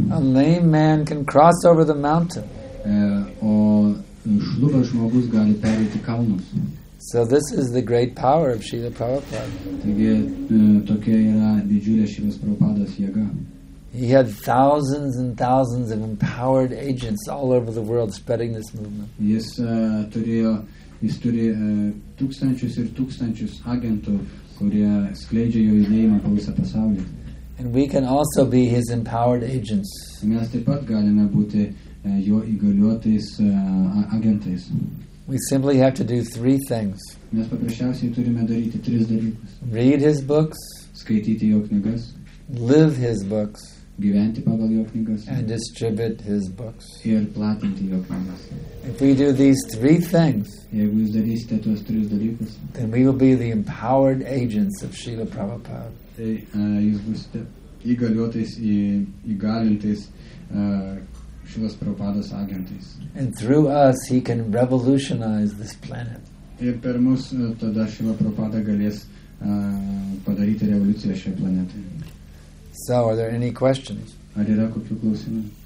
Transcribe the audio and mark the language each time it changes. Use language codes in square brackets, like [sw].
[en] A lame man can cross over the mountain. [lt] O šlubas žmogus gali pereiti kalnus. [en] So this is the great power of Srila Prabhupada. [lt] Taigi tokia yra didžiulė Srilos Prabhupados jėga. [en] He had thousands and thousands of empowered agents all over the world spreading this movement. [lt] Jis turėjo tūkstančius ir tūkstančius agentų, kurie skleidžia jo judėjimą po visą pasaulį. [en] And we can also be his empowered agents. [lt] Mes taip pat galime būti jo įgaliotais agentais. [en] We simply have to do three things. [lt] Mes paprasčiausiai turime daryti tris dalykus. [en] Read his books. [lt] Skaityti jo knygas. [en] Live his books. [lt] Gyventi pagal jo knygas. [en] And distribute his books. [lt] Ir platinti jo knygas. [en] If we do these three things, [lt] jeigu jūs darysite tuos tris dalykus, [en] then we will be the empowered agents of Srila Prabhupada. [lt] Tai jūs būsite įgaliotais, įgalintais Šrilos Prabhupados agentais. [en] And through us he can revolutionize this planet. [lt] Ir per mus tada Šrila Prabhupada galės padaryti revoliuciją šioje planetoje. [en] So, are there any questions? [lt] Ar yra kokių klausimų?